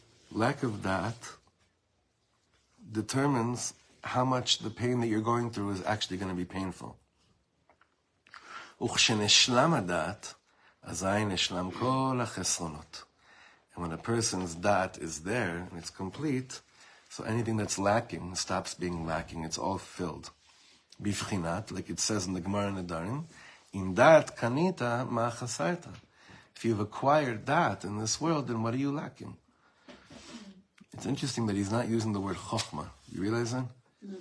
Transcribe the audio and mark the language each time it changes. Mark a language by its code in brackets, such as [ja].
[en] Lack of doubt determines how much the pain that you're going through is actually going to be painful. [he] וכשנשלם הדעת, אזי נשלם כל החסרונות. [en] And when a person's doubt is there and it's complete, so anything that's lacking stops being lacking, it's all filled. Bifchinat, like it says in the Gemara and the Nedarim, [he] in dat kanita ma chasarta. [en] If you've acquired that in this world, then what are you lacking? It's interesting that he's not using the word chokhmah. You realize that? Mm-hmm.